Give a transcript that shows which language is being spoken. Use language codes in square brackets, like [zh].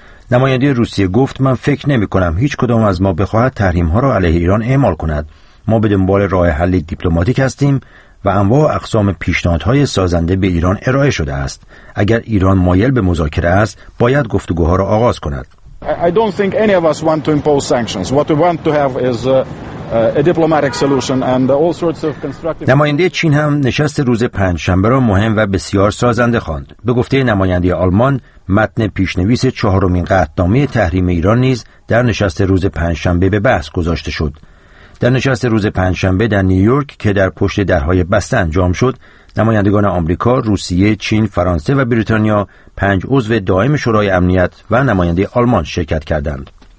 [fa] نماینده روسیه گفت: من فکر نمی کنم هیچ کدام از ما بخواهد تحریم ها را علیه ایران اعمال کند. ما به دنبال راه حل دیپلماتیک هستیم و انواع و اقسام پیشنهادهای سازنده به ایران ارائه شده است. اگر ایران مایل به مذاکره است، باید گفتگوها را آغاز کند. [en] I don't think any of us want to impose sanctions. What we want to have is a diplomatic solution and all sorts of constructive. [fa] نماینده چین هم نشست روز پنجشنبه را مهم و بسیار سازنده خواند. به گفته نماینده آلمان، متن پیشنویس چهارمین قطعنامه تحریم ایران نیز در نشست روز پنجشنبه به بحث گذاشته شد. در نشست روز پنجشنبه در نیویورک که در پشت درهای بسته انجام شد، نمایندگان آمریکا، روسیه، چین، فرانسه و بریتانیا، 5 عضو دائم شورای امنیت و نماینده آلمان شرکت کردند.